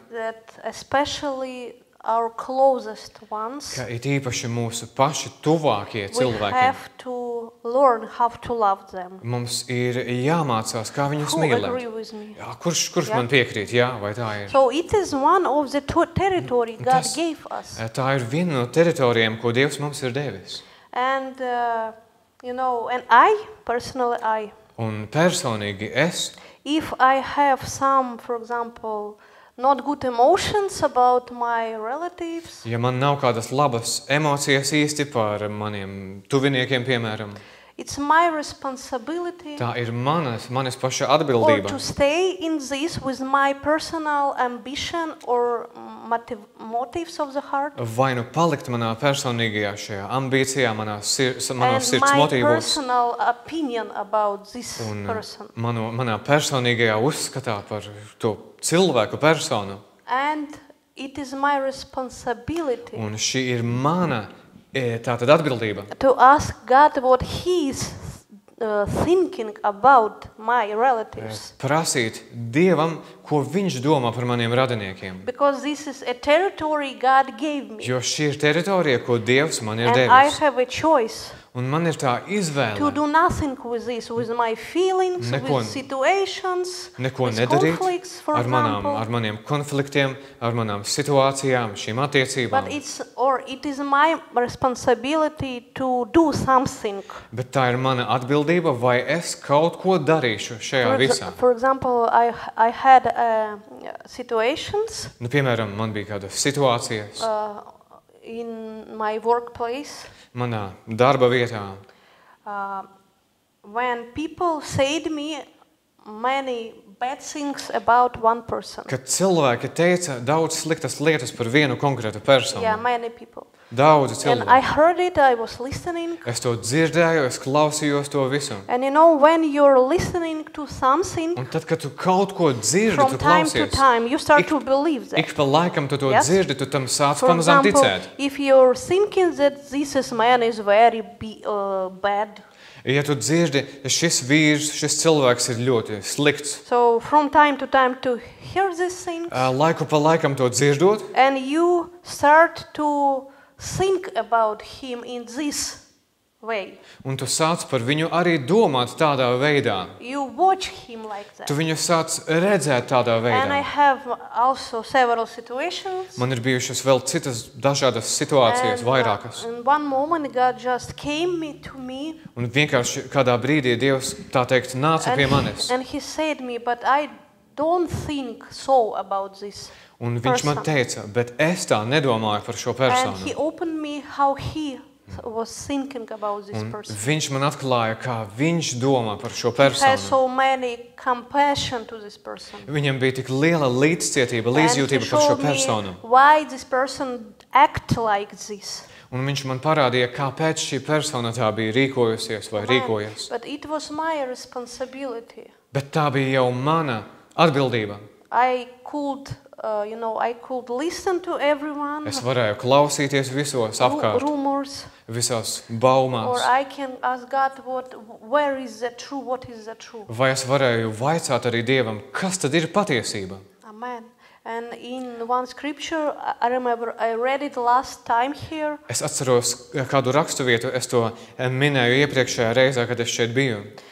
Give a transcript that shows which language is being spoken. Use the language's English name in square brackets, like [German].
[English] That especially our closest ones. [Latvian] Ka it īpaši mūsu paši tuvākie cilvēki. [English] We have to learn how to love them. [Latvian] Mums ir jāmācās, kā viņus mīlēt. Jā, kurš man piekrīt, jā, vai tā ir? [English] So it is one of the territory God gave us. [Latvian] Tā ir viena no teritorijām, ko Dievs mums ir devis. [English] And you know, and I personally. [Latvian] Un personīgi es. [English] If I have some, for example, not good emotions about my relatives. [Latvian] Ja man nav kādas labas emocijas īsti par maniem tuviniekiem, piemēram. [English] It's my responsibility. [Latvian] Tā ir manas paša atbildība. [English] Or to stay in this with my personal ambition or motives of the heart. [Latvian] Vai nu palikt manā personīgajā šajā ambīcijā, manā sirds motīvos. [English] And my personal opinion about this person. [Latvian] Manā personīgajā uzskatā par to cilvēku personu. [English] And it is my responsibility. [Latvian] Un šī ir mana tātad atbildība. [English] To ask God what he is thinking about my relatives. [Latvian] Prasīt Dievam, ko viņš domā par maniem radiniekiem. [English] Because this is a territory God gave me. [Latvian] Jo šī ir teritorija, ko Dievs man ir [English] And [Latvian] devis. [English] I have a choice. [Latvian] Un man ir tā izvēle. [English] To do nothing with this, with my feelings, [Latvian] neko, [English] with situations, [Latvian] neko [English] with [Latvian] nedarīt, [English] conflicts, for [Latvian] ar manām, [English] example. [Latvian] Ar maniem konfliktiem, ar manām situācijām, šīm attiecībām. [English] But it's, or it is my responsibility to do something. [Latvian] Bet tā ir mana atbildība, vai es kaut ko darīšu šajā visā. [English] For example, I had situations. [Latvian] Nu, piemēram, man bija kāda situācija. [English] In my workplace. [Latvian] Manā darba vietā. [English] When people said me many bad things about one person. [Latvian] Kad cilvēki teica daudz sliktas lietas par vienu konkrētu personu. [English] Yeah, many people. [Latvian] Daudz cilvēku. [English] And I heard it, I was listening. [Latvian] Es to dzirdēju, es klausījos to visu. [English] And you know, when you're listening to something, [Latvian] un tad, kad tu kaut ko dzirdi, tu klausies. [English] From time to time, you start to believe that. [Latvian] Ik pa laikam tu to dzirdi, tu tam sāc pamazām ticēt. [English] If you're thinking that this man is very bad. [Latvian] Ja tu dzirdi, šis vīrs, šis cilvēks ir ļoti slikts. [English] So, from time to time to hear these things. [Latvian] Laiku pa laikam to dzirdot. [English] And you start to think about him in this way. [Latvian] Un tu sāc par viņu arī domāt tādā veidā. [English] You watch him like that. [Latvian] Tu viņu sāc redzēt tādā veidā. [English] And I have also several situations. [Latvian] Man ir bijušas vēl citas dažādas situācijas, [English] and, [Latvian] vairākas. [English] In one moment God just came to me. [Latvian] Un vienkārši kādā brīdī Dievs, tā teikt, nāca pie manis. [English] And he said me, but I don't think so about this. [Latvian] Un viņš man teica, bet es tā nedomāju par šo personu. [English] And he opened me how he was thinking about this person. [Latvian] Un viņš man atklāja, kā viņš domā par šo personu. [English] He has so many compassion to this person. [Latvian] Viņam bija tik liela līdzcietība, līdzjūtība par šo personu. [English] And he showed me why this person act like this. [Latvian] Un viņš man parādīja, kāpēc šī persona tā bija rīkojusies vai rīkojas. [English] But it was my responsibility. [Latvian] Bet tā bija jau mana atbildība. [English] I could listen to everyone. [Latvian] Es varēju klausīties visos apkārt. [English] Rumors. [Latvian] Visās baumās. [English] Or I can ask God what is the truth? [Latvian] Vai es varēju vaicāt arī Dievam, kas tad ir patiesība? [English] Amen. And in one scripture I remember I read it last time here. [Latvian] Es atceros kādu rakstu vietu, es to minēju iepriekšējā reizē, kad es šeit biju.